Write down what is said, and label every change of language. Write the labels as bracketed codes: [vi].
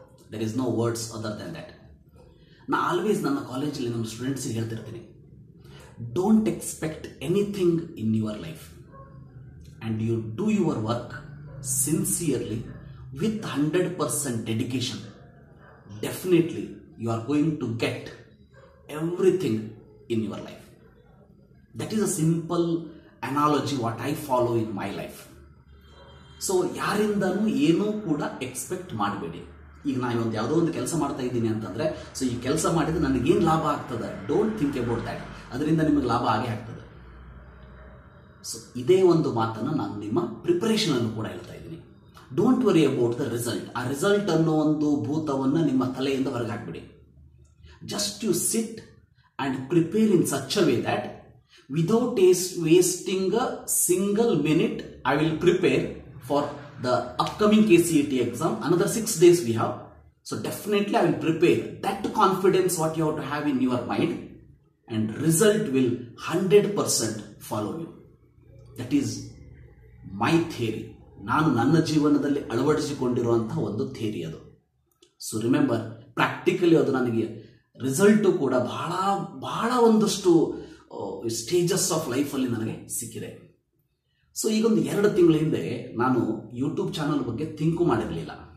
[en] There is no words other than that. [kn] Na always nanna college le namma students ge helthirthini, [en] don't expect anything in your life and you do your work sincerely with 100% dedication, definitely you are going to get everything in your life. That is a simple analogy what I follow in my life. [kn] So yarindanu eno kuda expect maadbedi. ಈಗ ನಾನು ಒಂದು ಯಾವುದೋ ಒಂದು ಕೆಲಸ ಮಾಡ್ತಾ ಇದ್ದೀನಿ ಅಂತಂದ್ರೆ so ಈ ಕೆಲಸ ಮಾಡಿದ್ರೆ ನನಗೇನು ಲಾಭ ಆಗ್ತದೆ, [en] don't think about that, [kn] ಅದರಿಂದ ನಿಮಗೆ ಲಾಭ ಆಗೇ ಆಗ್ತದೆ. ಸೊ ಇದೇ ಒಂದು ಮಾತನ್ನು ನಾನು ನಿಮ್ಮ ಪ್ರಿಪರೇಷನ್ ಅನ್ನು ಕೂಡ ಹೇಳ್ತಾ ಇದ್ದೀನಿ. [en] don't worry about the result, [kn] ಆ ರಿಸಲ್ಟ್ ಅನ್ನೋ ಒಂದು ಭೂತವನ್ನು ನಿಮ್ಮ ತಲೆಯಿಂದ ಹೊರಗಾಕ್ಬಿಡಿ. [en] Just you sit and prepare in such a way that without wasting a single minute I will prepare for the upcoming KCET exam. Another 6 days we have. So definitely I will prepare. That confidence what you have to have in your mind and result will 100% follow you. That is my theory. [kn] ನಾನು ನನ್ನ ಜೀವನದಲ್ಲಿ ಅಳವಡಿಸಿಕೊಂಡಿರುವಂತಹ ಒಂದು theory ಅದು. So remember, practically ಅದು ನನಗೆ result ಕೂಡ ಬಹಳ ಬಹಳ ಒಂದಷ್ಟು [en] stages of ಲೈಫಲ್ಲಿ [kn] ನನಗೆ ಸಿಕ್ಕಿದೆ. ಸೊ ಈಗೊಂದು 2 ತಿಂಗಳ ಹಿಂದೆ ನಾನು ಯೂಟ್ಯೂಬ್ ಚಾನಲ್ ಬಗ್ಗೆ ಥಿಂಕು ಮಾಡಿರಲಿಲ್ಲ.